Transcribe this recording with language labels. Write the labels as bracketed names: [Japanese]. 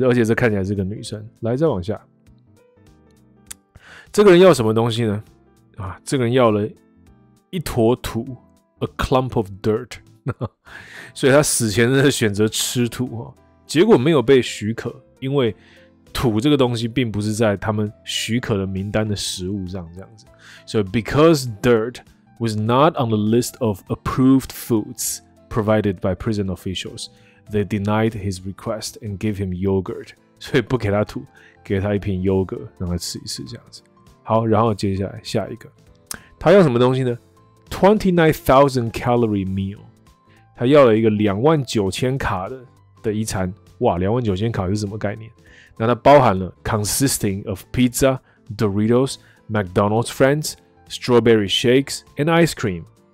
[Chinese] 而且这看起来是个女生。来，再往下，这个人要什么东西呢？啊，这个人要了一坨土 ， [English] a clump of dirt， [Chinese] 所以他死前是选择吃土哈，结果没有被许可，因为土这个东西并不是在他们许可的名单的食物上，这样子。 [English] So because dirt was not on the list of approved foods provided by prison officials, they denied his request and gave him yogurt. [Chinese] 所以不给他土，给他一瓶优格让他吃一吃这样子。好，然后接下来下一个，他要什么东西呢？ [English] 29,000 calorie meal， [Chinese] 他要了一个29,000卡的一餐。哇，29,000卡是什么概念？那它包含了 [English] consisting of pizza, Doritos,McDonald's friends, strawberry shakes, and ice cream.